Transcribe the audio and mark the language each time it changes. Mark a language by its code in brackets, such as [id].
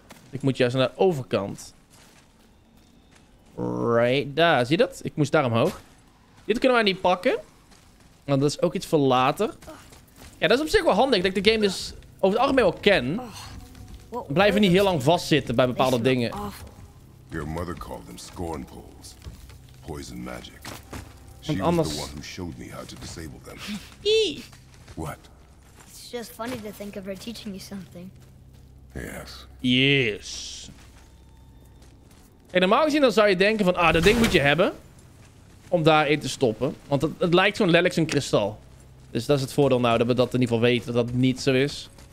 [nl] Ik moet juist naar de overkant. Right daar. Zie je dat? Ik moest daar omhoog. Dit kunnen wij niet pakken. Want dat is ook iets voor later. Ja, dat is op zich wel handig. Dat ik de game dus over het algemeen wel ken. We blijven niet heel lang vastzitten bij bepaalde dingen. [en] Your mother called them scorn poles. Poison magic. She was the one who showed me how to disable them. What? It's just funny to think of her teaching you something. Yes. Yes. [nl] En normaal gezien dan zou je denken van, ah, dat ding moet je hebben. Om daarin te stoppen. Want het lijkt zo'n letterlijk zo'n kristal. Dus dat is het voordeel nou, dat we dat in ieder geval weten, dat het niet zo is.